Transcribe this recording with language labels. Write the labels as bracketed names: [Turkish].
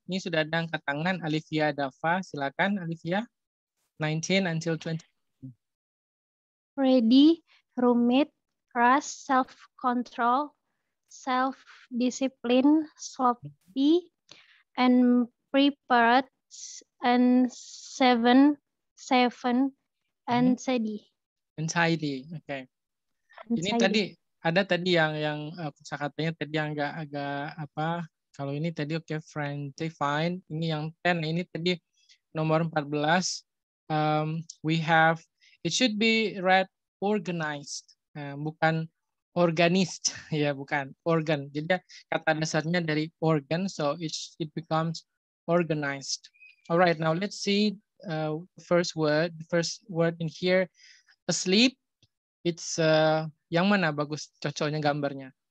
[Indonesian] Ini sudah ada angkat tangan, Alivia Dava. Silakan, Alivia. 19 until 20. [English] Ready, roommate, crush, self-control, self-discipline, sloppy, and prepared, and seven, and steady. [Indonesian] Anxiety, okay. Anxiety. Ini tadi, ada tadi yang kosakatanya tadi yang agak apa, kalau ini tadi okay, friendly, fine. Ini yang 10, ini tadi nomor 14. [English] We have, it should be read organized, [Indonesian] bukan organist, ya bukan organ. Jadi kata dasarnya dari organ, [English] so it becomes organized. Alright, now let's see the first word in here. [Indonesian] Asleep, it's yang mana bagus cocoknya gambarnya?